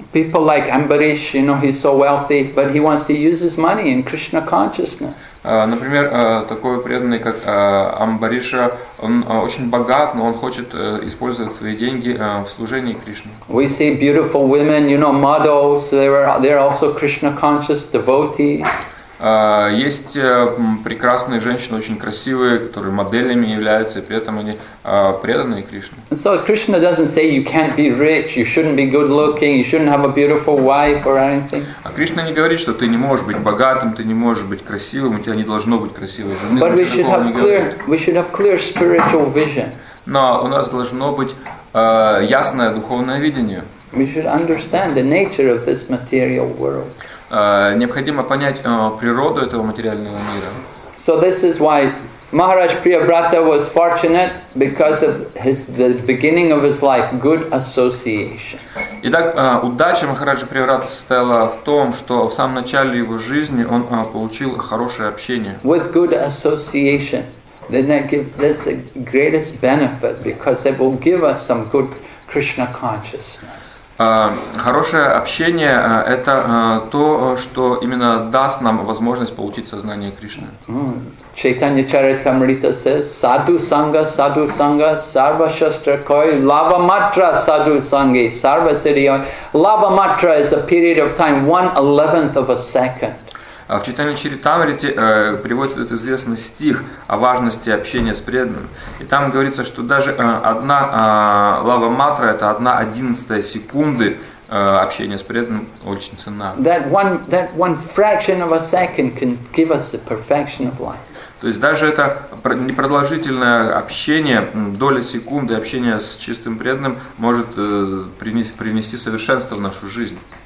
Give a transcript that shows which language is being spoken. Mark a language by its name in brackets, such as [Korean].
[English] People like Ambarish, you know, he's so wealthy, but he wants to use his money in Krishna consciousness. [Russian] Например, такой преданный, как Амбариша, он очень богат, но он хочет использовать свои деньги в служении Кришне. [English] We see beautiful women, you know, models, they're also Krishna conscious devotees. [Russian] Есть прекрасные женщины, очень красивые, которые моделями являются, и при этом они преданные Кришне. [English] So Krishna doesn't say you can't be rich, you shouldn't be good looking, you shouldn't have a beautiful wife or anything. [Russian] А Кришна не говорит, что ты не можешь быть богатым, ты не можешь быть красивым, у тебя не должно быть красивой жены. [English] But we should have clear spiritual vision. [Russian] Но у нас должно быть ясное духовное видение. [English] We should understand the nature of this material world. [Russian] Необходимо понять природу этого материального мира. [English] So this is why Maharaj Priyavrata was fortunate because of the beginning of his life, good association. [Russian] Итак, удача Махараджа Приврата состояла в том, что в самом начале его жизни он получил хорошее общение. [English] With good association, then that gives this the greatest benefit because it will give us some good Krishna consciousness. [Russian] Хорошее общение – это то, что именно даст нам возможность получить сознание Кришны. [Sanskrit] Чайтанья Чаритамрита [English] says, [Sanskrit] саду санга, сарва шастра кой, лава матра саду санги, сарва сирья. [English] Лава матра is a period of time, 1/11 of a second. [Russian] В Чайтанья Чаритамрите приводится этот известный стих о важности общения с преданным. И там говорится, что даже одна лава матра – это 1/11 секунды общения с преданным очень ценна. [English] That one fraction of a second can give us the perfection of life. [Russian] То есть даже это непродолжительное общение, доля секунды общения с чистым преданным может принести совершенство в нашу жизнь.